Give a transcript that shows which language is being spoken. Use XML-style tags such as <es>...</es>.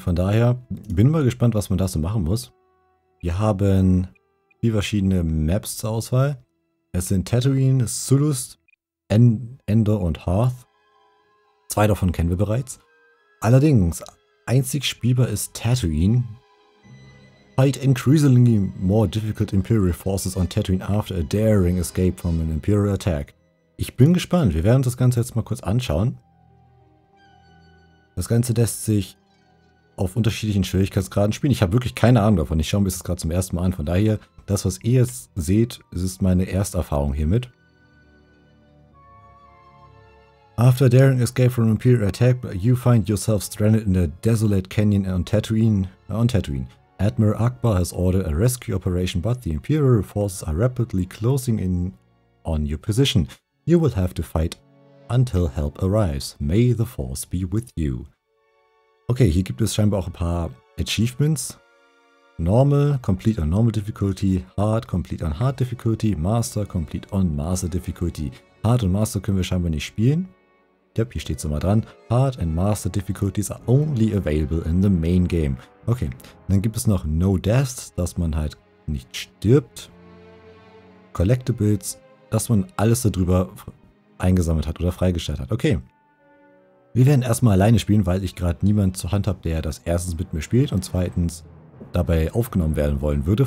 <de>Von daher bin mal gespannt, was man da so machen muss. Wir haben vier verschiedene Maps zur Auswahl. Es sind Tatooine, Sulust, Endor und Hoth. Zwei davon kennen wir bereits. Allerdings, einzig spielbar ist Tatooine.</de> <en>Fight increasingly more difficult Imperial forces on Tatooine after a daring escape from an Imperial attack.</en> <de>Ich bin gespannt. Wir werden uns das Ganze jetzt mal kurz anschauen. Das Ganze lässt sich auf unterschiedlichen Schwierigkeitsgraden spielen. Ich habe wirklich keine Ahnung davon. Ich schaue mir das gerade zum ersten Mal an. Von daher, das, was ihr jetzt seht, ist meine Ersterfahrung hiermit.</de> <en>After daring escape from Imperial attack, you find yourself stranded in a desolate canyon on Tatooine. Admiral Akbar has ordered a rescue operation, but the Imperial forces are rapidly closing in on your position. You will have to fight until help arrives. May the force be with you.</en> <de>Okay, hier gibt es scheinbar auch ein paar Achievements.</de> <en>Normal, complete on normal difficulty, hard, complete on hard difficulty, master, complete on master difficulty.</en> <de>Hard und master können wir scheinbar nicht spielen. Yep, hier steht es immer dran.</de> <en>Hard and master difficulties are only available in the main game.</en> <de>Okay, dann gibt es noch</de> <en>no deaths,</en> <de>dass man halt nicht stirbt. Collectibles, dass man alles darüber eingesammelt hat oder freigestellt hat. Okay. Wir werden erstmal alleine spielen, weil ich gerade niemanden zur Hand habe, der das erstens mit mir spielt und zweitens dabei aufgenommen werden wollen würde.</de>